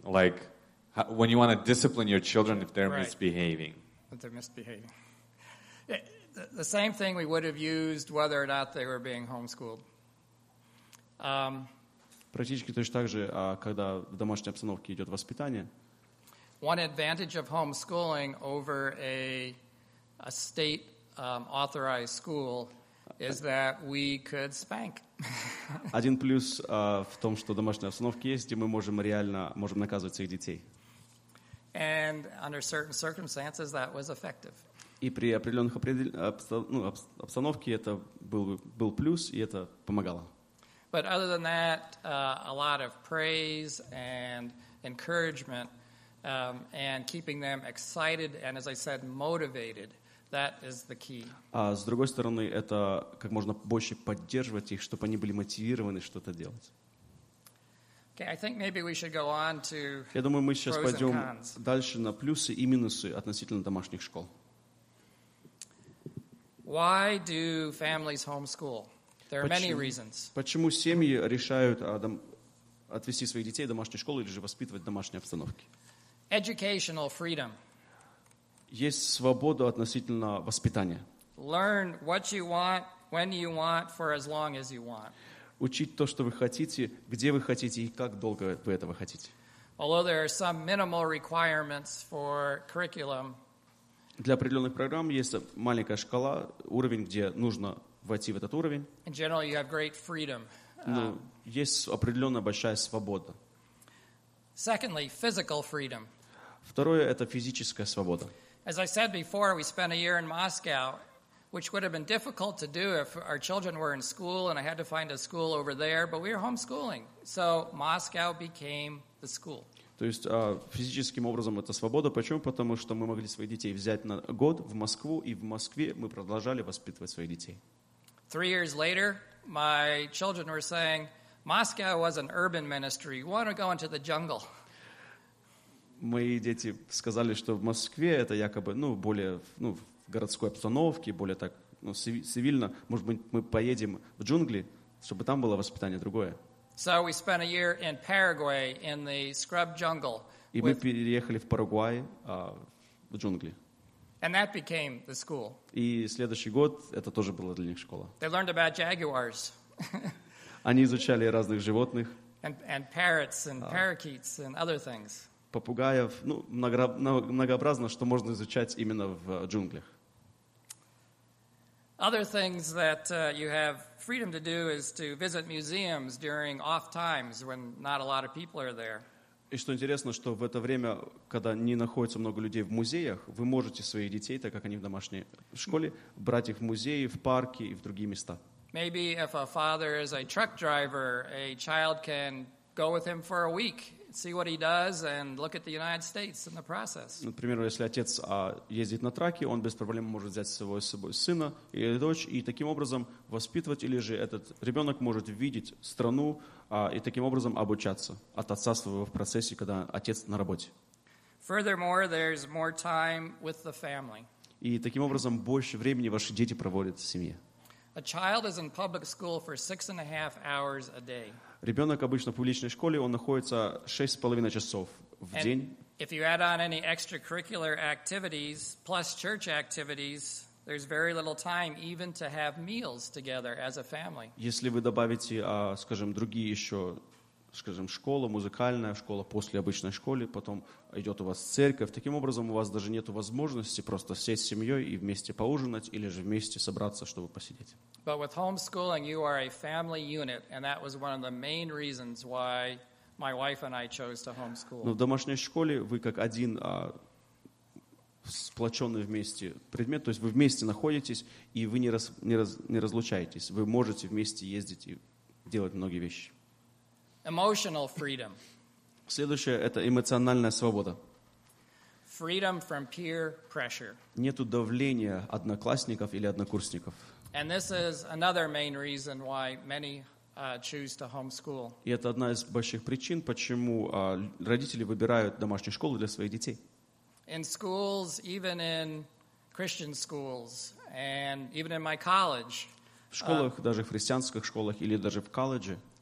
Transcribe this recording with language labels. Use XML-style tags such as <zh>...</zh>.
<en>Like, when you want to discipline your children if they're misbehaving. If they're misbehaving. The same thing we would have used whether or not they were being homeschooled.</en> <ru>Практически точно так же, когда в домашней обстановке идет воспитание.</ru> <en>One advantage of homeschooling over a state authorized school is that we could spank.</en> <ru>Один плюс в том, что домашние обстановки есть, и мы можем наказывать своих детей.</ru> <en>And under certain circumstances that was effective.</en> <ru>И при определенных обстановке это был плюс, и это помогало.</ru> <en>But other than that, a lot of praise and encouragement and keeping them excited and, as I said, motivated. That is the key.</en> <ru>А с другой стороны, это как можно больше поддерживать их, чтобы они были мотивированы что-то делать.</ru> <en>Okay, I think maybe we should go on to pros and cons.</en> <ru>Я думаю, мы сейчас пойдем дальше на плюсы и минусы относительно домашних школ.</ru> <en>Why do families homeschool? There are many reasons.</en> <ru>Почему семьи решают отвести своих детей в домашнюю школу или же воспитывать в домашней обстановке?</ru> <en>Educational freedom.</en> <ru>Есть свобода относительно воспитания.</ru> <en>Learn what you want, when you want, for as long as you want.</en> <ru>Учить то, что вы хотите, где вы хотите и как долго вы этого хотите.</ru> <en>Although there are some minimal requirements for curriculum.</en> <ru>Для определенных программ есть маленькая шкала, уровень, где нужно войти в этот уровень.</ru> <en>In general, you have great freedom.</en> <ru>Есть определенная большая свобода.</ru> <en>Secondly, physical freedom.</en> <ru>Второе это физическая свобода.</ru> <en>As I said before, we spent a year in Moscow, which would have been difficult to do if our children were in school and I had to find a school over there, but we were homeschooling. So Moscow became the school.</en> <ru>То есть физическим образом это свобода. Почему? Потому что мы могли своих детей взять на год в Москву, и в Москве мы продолжали воспитывать своих детей.</ru> <en>3 years later, my children were saying, Moscow was an urban ministry. You want to go into the jungle?</en> <ru>Мои дети сказали, что в Москве это якобы, более, в городской обстановке, более так, цивильно. Может быть, мы поедем в джунгли, чтобы там было воспитание другое.</ru> <en>So we spent a year in Paraguay in the scrub jungle.</en> <ru>И мы переехали в Парагвай, в джунгли.</ru> <en>And that became the school.</en> <ru>И следующий год это тоже было для них школа.</ru> <en>They learned about jaguars.</en> <ru>Они изучали разных животных.</ru> <en>And parrots and parakeets and other things.</en> <ru>Попугаев, многообразно, что можно изучать именно в джунглях.</ru> <en>Other things that you have freedom to do is to visit museums during off times when not a lot of people are there.</en> <ru>И что интересно, что в это время, когда не находится много людей в музеях, вы можете своих детей, так как они в домашней школе, брать их в музеи, в парки и в другие места.</ru> <en>Maybe if a father is a truck driver, a child can go with him for a week, see what he does, and look at the United States in the process.</en> <ru>Например, если отец ездит на траке, он без проблем может взять с собой сына или дочь и таким образом воспитывать, или же этот ребенок может видеть страну и таким образом обучаться от отца своего в процессе, когда отец на работе.</ru> <en>Furthermore, there's more time with the family.</en> <ru>И таким образом больше времени ваши дети проводят в семье.</ru> <en>A child is in public school for 6.5 hours a day.</en> <ru>Ребенок обычно в публичной школе, он находится 6.5 часов в день.</ru> <en>If you add on any extracurricular activities plus church activities, there's very little time even to have meals together as a family.</en> <ru>Если вы добавите, скажем, другие еще, скажем, школа, музыкальная школа после обычной школы, потом идет у вас церковь, таким образом у вас даже нет возможности просто сесть с семьей и вместе поужинать или же вместе собраться, чтобы посидеть.</ru> <en>But with homeschooling, you are a family unit, and that was one of the main reasons why my wife and I chose to homeschool.</en> <ru>Но в домашней школе вы как один сплоченный вместе предмет, то есть вы вместе находитесь, и вы не разлучаетесь. Вы можете вместе ездить и делать многие вещи.</ru> <en>Emotional freedom.</en> <ru>Следующее – это эмоциональная свобода.</ru> <en>Freedom from peer pressure.</en> <ru>Нету давления одноклассников или однокурсников.</ru> <en>And this is another main reason why many choose to homeschool.</en> <ru>И это одна из больших причин, почему родители выбирают домашнюю школу для своих детей.</ru> <en>In schools, even in Christian schools, and even in my college.</en> <ru>В школах, даже в христианских школах или даже в колледже.</ru>